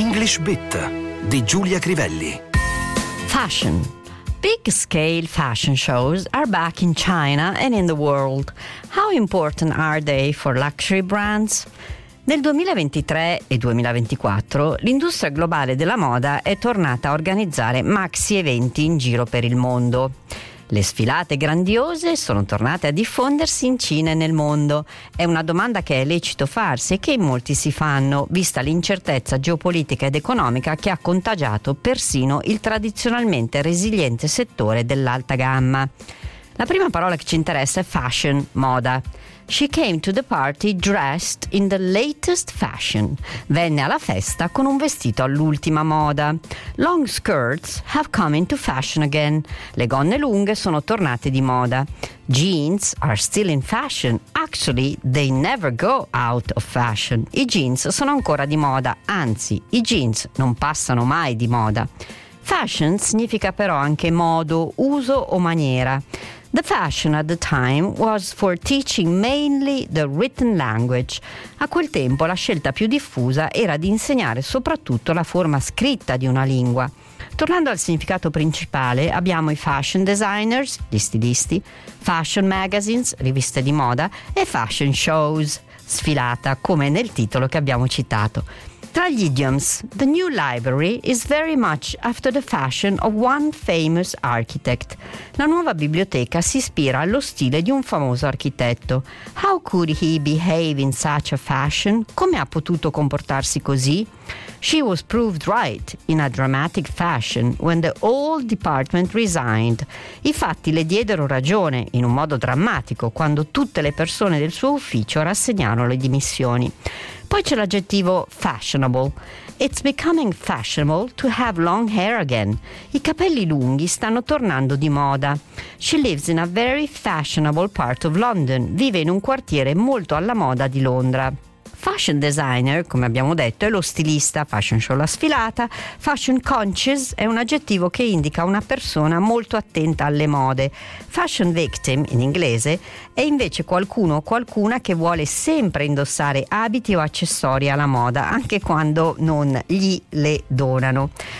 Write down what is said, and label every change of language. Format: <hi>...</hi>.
<it>Fresh Bit di Giulia Crivelli.</it> <en>Fashion. Big scale fashion shows are back in China and in the world. How important are they for luxury brands?</en> <it>Nel 2023 e 2024 l'industria globale della moda è tornata a organizzare maxi eventi in giro per il mondo. Le sfilate grandiose sono tornate a diffondersi in Cina e nel mondo. È una domanda che è lecito farsi e che in molti si fanno, vista l'incertezza geopolitica ed economica che ha contagiato persino il tradizionalmente resiliente settore dell'alta gamma. La prima parola che ci interessa è fashion, moda.</it> <en>She came to the party dressed in the latest fashion.</en> <it>Venne alla festa con un vestito all'ultima moda.</it> <en>Long skirts have come into fashion again.</en> <it>Le gonne lunghe sono tornate di moda.</it> <en>Jeans are still in fashion. Actually, they never go out of fashion.</en> <it>I jeans sono ancora di moda. Anzi, i jeans non passano mai di moda. Fashion significa però anche modo, uso o maniera.</it> <en>The fashion at the time was for teaching mainly the written language.</en> <it>A quel tempo la scelta più diffusa era di insegnare soprattutto la forma scritta di una lingua. Tornando al significato principale, abbiamo i fashion designers, gli stilisti, fashion magazines, riviste di moda, e fashion shows, sfilata, come nel titolo che abbiamo citato. Tra gli</it> <en>idioms, the new library is very much after the fashion of one famous architect.</en> <it>La nuova biblioteca si ispira allo stile di un famoso architetto.</it> <en>How could he behave in such a fashion?</en> <it>Come ha potuto comportarsi così?</it> <en>She was proved right in a dramatic fashion when the old department resigned.</en> <it>I fatti le diedero ragione in un modo drammatico quando tutte le persone del suo ufficio rassegnarono le dimissioni. Poi c'è l'aggettivo fashionable.</it> <en>It's becoming fashionable to have long hair again.</en> <it>I capelli lunghi stanno tornando di moda.</it> <en>She lives in a very fashionable part of London.</en> <it>Vive in un quartiere molto alla moda di Londra. Fashion designer, come abbiamo detto, è lo stilista, fashion show la sfilata. Fashion conscious è un aggettivo che indica una persona molto attenta alle mode. Fashion victim, in inglese, è invece qualcuno o qualcuna che vuole sempre indossare abiti o accessori alla moda, anche quando non gli le donano.</it>